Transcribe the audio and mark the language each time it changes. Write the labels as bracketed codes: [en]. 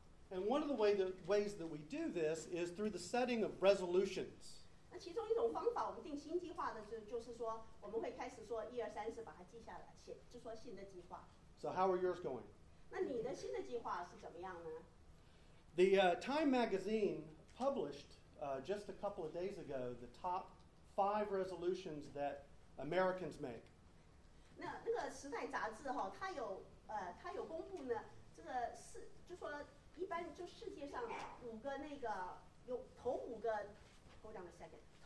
[en] And one of the ways that we do this is through the setting of resolutions. [zh] 其中一种方法我们定新计划的就是说我们会开始说一二三四把它记下来写就说新的计划。 [en] So how are yours going? [zh] 那你的新的计划是怎么样呢? [en] The Time Magazine published just a couple of days ago the top five resolutions that Americans make. [zh] 那个时代杂志它有公布呢，这个世就说一般就世界上五个那个有头五个， [en] hold on a second.